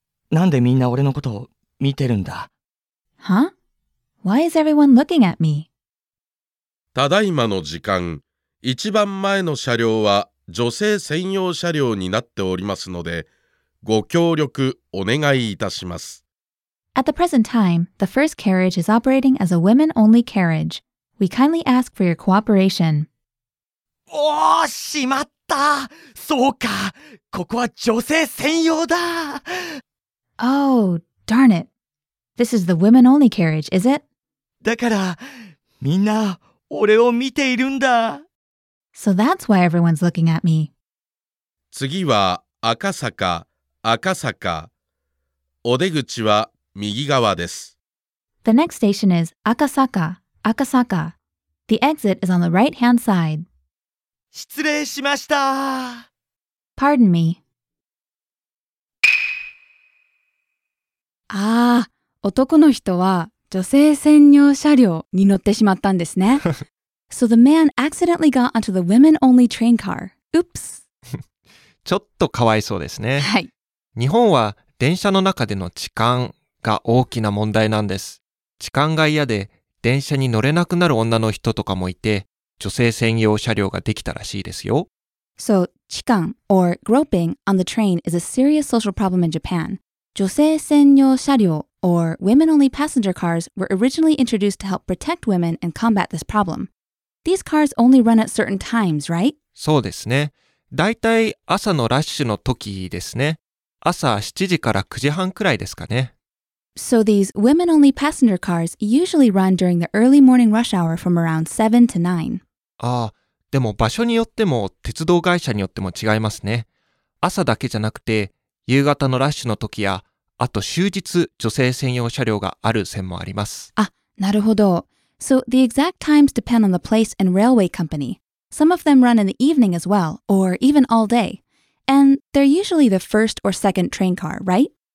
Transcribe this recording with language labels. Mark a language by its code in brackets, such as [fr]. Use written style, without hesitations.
[ja] なんでみんな俺のことを見てるんだ？ [en] Huh? Why is everyone looking at me? [ja] ただいまの時間、一番前の車両は女性専用車両になっておりますので、ご協力お願いいたします。 [en] At the present time, the first carriage is operating as a women-only carriage. We kindly ask for your cooperation. [ja] おー、しまった。そうか、ここは女性専用だ。 [en] Oh, darn it. This is the women-only carriage, is it? [ja] だから、みんな、俺を見ているんだ。 [en] So that's why everyone's looking at me. [ja] 次は赤坂、赤坂。お出口は右側です。 [en] The next station is 赤坂、赤坂。The exit is on the right-hand side. [ja] 失礼しました。 [en] Pardon me. [ja] ああ、男の人は女性専用車両に乗ってしまったんですね。 [en] So the man accidentally got onto the women-only train car. Oops. [ja] ちょっとかわいそうですね。はい。日本は電車の中での痴漢が大きな問題なんです。痴漢が嫌で電車に乗れなくなる女の人とかもいて、女性専用車両ができたらしいですよ。 [en] So, 痴漢 or groping on the train is a serious social problem in Japan. 女性専用車両 or women-only passenger cars were originally introduced to help protect women and combat this problem. These cars only run at certain times, right? [ja] そうですね。だいたい朝のラッシュの時ですね。朝7時から9時半くらいですかね。 [en] So these women-only passenger cars usually run during the early morning rush hour from around 7 to 9. [ja] ああ、でも場所によっても鉄道会社によっても違いますね。朝だけじゃなくて、夕方のラッシュの時や、あと終日女性専用車両がある線もあります。あ、なるほど。 [en] So the exact times depend on the place and railway company. Some of them run in the evening as well, or even all day. And they're usually the first or second train car, right?